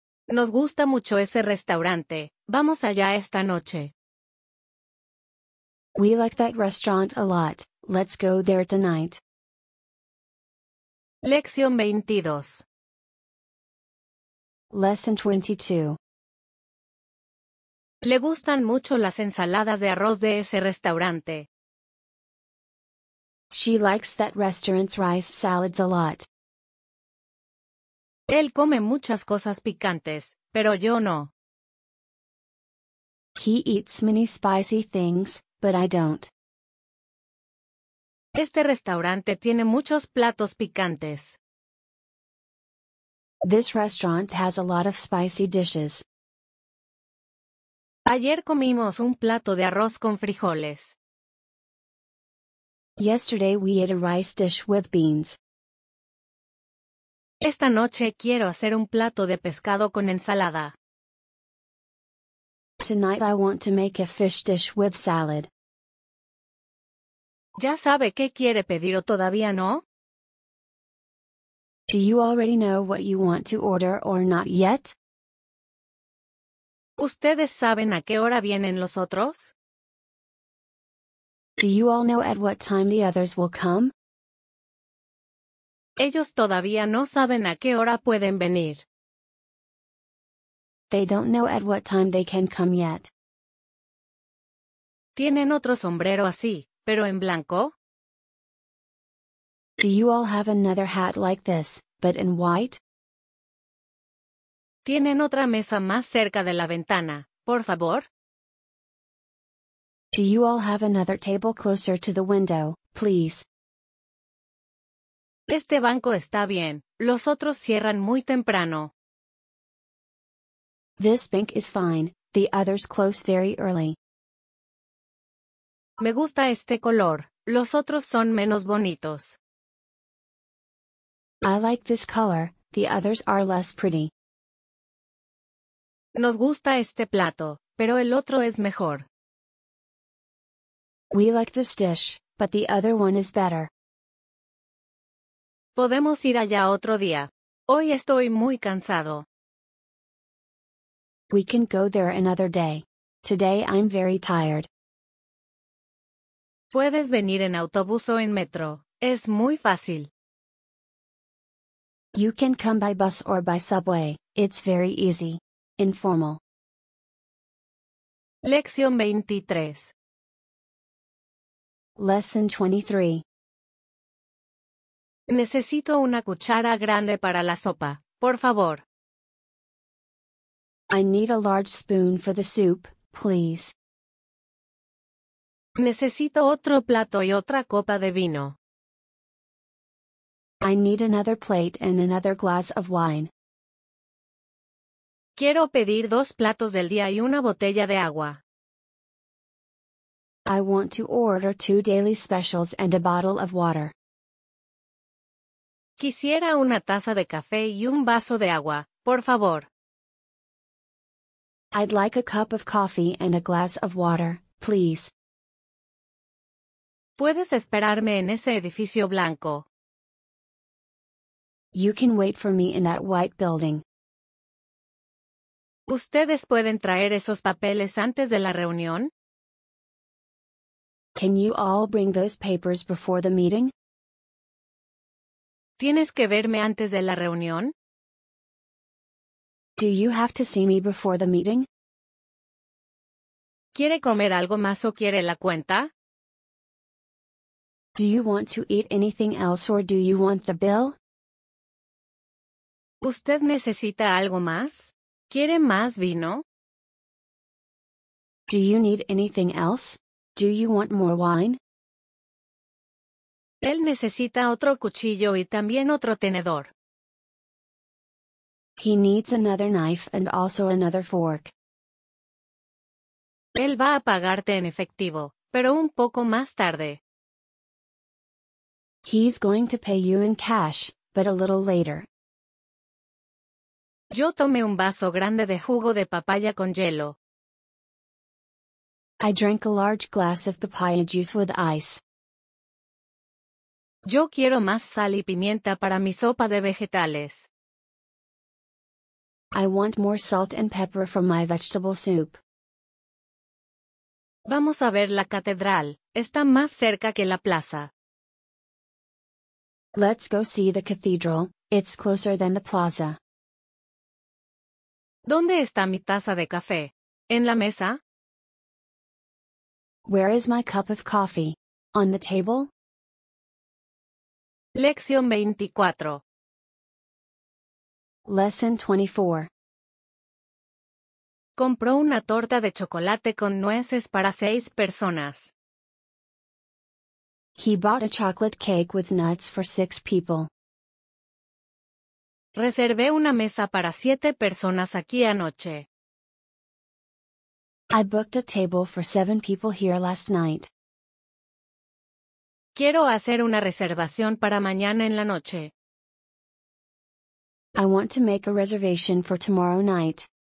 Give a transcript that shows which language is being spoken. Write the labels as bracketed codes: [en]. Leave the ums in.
[es] Nos gusta mucho ese restaurante. Vamos allá esta noche. [en] We like that Let's go there tonight. [es] Lección 22 [en] Lesson 22 [es] Le gustan mucho las ensaladas de arroz de ese restaurante. [en] She likes that restaurant's rice salads a lot. [es] Él come muchas cosas picantes, pero yo no. [en] He eats many spicy things, but I don't. [es] Este restaurante tiene muchos platos picantes. [en] This restaurant has a lot of spicy dishes. [es] Ayer comimos un plato de arroz con frijoles. [en] Yesterday we ate a rice dish with beans. [es] Esta noche quiero hacer un plato de pescado con ensalada. [en] Tonight I want to make a fish dish with salad. [es] ¿Ya sabe qué quiere pedir o todavía no? [en] Do you already know what you want to order or not yet? [es] ¿Ustedes saben a qué hora vienen los otros? [en] Do you all know at what time the others will come? [es] Ellos todavía no saben a qué hora pueden venir. [en] They don't know at what time they can come yet. [es] Tienen otro sombrero así pero en blanco? [en] Do you all have another hat like this, but in white? [es] ¿Tienen otra mesa más cerca de la ventana, por favor? [en] Do you all have another table closer to the window, please? [es] Este banco está bien. Los otros cierran muy temprano. [en] This bank is fine. The others close very early. [es] Me gusta este color. Los otros son menos bonitos. [en] I like this color. The others are less pretty. [es] Nos gusta este plato, pero el otro es mejor. [en] We like this dish, but the other one is better. [es] Podemos ir allá otro día. Hoy estoy muy cansado. [en] We can go there another day. Today I'm very tired. [es] Puedes venir en autobús o en metro. Es muy fácil. [en] You can come by bus or by subway. It's very easy. Informal. [es] Lección 23. [en] Lesson 23. [es] Necesito una cuchara grande para la sopa, por favor. [en] I need a large spoon for the soup, please. [es] Necesito otro plato y otra copa de vino. [en] I need another plate and another glass of wine. [es] Quiero pedir dos platos del día y una botella de agua. [en] I want to order two daily specials and a bottle of water. [es] Quisiera una taza de café y un vaso de agua, por favor. [en] I'd like a cup of coffee and a glass of water, please. [es] Puedes esperarme en ese edificio blanco. [en] You can wait for me in that white building. [es] ¿Ustedes pueden traer esos papeles antes de la reunión? [en] Can you all bring those papers before the meeting? [es] ¿Tienes que verme antes de la reunión? [en] Do you have to see me before the meeting? [es] ¿Quiere comer algo más o quiere la cuenta? [en] Do you want to eat anything else or do you want the bill? [es] ¿Usted necesita algo más? ¿Quiere más vino? [en] Do you need anything else? Do you want more wine? [es] Él necesita otro cuchillo y también otro tenedor. [en] He needs another knife and also another fork. [es] Él va a pagarte en efectivo, pero un poco más tarde. [en] He's going to pay you in cash, but a little later. [es] Yo tomé un vaso grande de jugo de papaya con hielo. [en] I drank a large glass of papaya juice with ice. [es] Yo quiero más sal y pimienta para mi sopa de vegetales. [en] I want more salt and pepper for my vegetable soup. [es] Vamos a ver la catedral, está más cerca que la plaza. [en] Let's go see the cathedral, it's closer than the plaza. [es] ¿Dónde está mi taza de café? ¿En la mesa? [en] Where is my cup of coffee? On the table? [es] Lección 24 [en] Lesson 24 [es] Compró una torta de chocolate con nueces para seis personas. [en] He bought a chocolate cake with nuts for six people. [es] Reservé una mesa para siete personas aquí anoche. [en] I booked a table for seven people here last night. [es] Quiero hacer una reservación para mañana en la noche. [en] I want to make a reservation for tomorrow night.